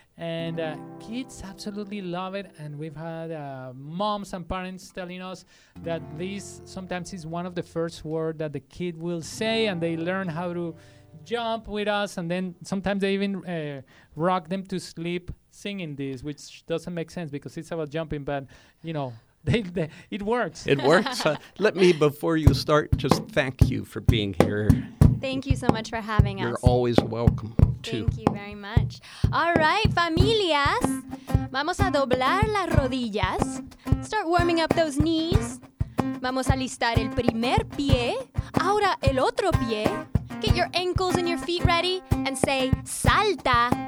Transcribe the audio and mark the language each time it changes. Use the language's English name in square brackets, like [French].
[English] And kids absolutely love it. And we've had moms and parents telling us that this sometimes is one of the first words that the kid will say, and they learn how to jump with us, and then sometimes they even rock them to sleep singing this, which doesn't make sense because it's about jumping, but you know, they it works. It works. Let me, before you start, just thank you for being here. Thank you so much for having You're us. You're always welcome, too. Thank you very much. All right, [Spanish] familias, vamos a doblar las rodillas. [English] Start warming up those knees. [Spanish] Vamos a listar el primer pie. Ahora el otro pie. [English] Get your ankles and your feet ready and say salta.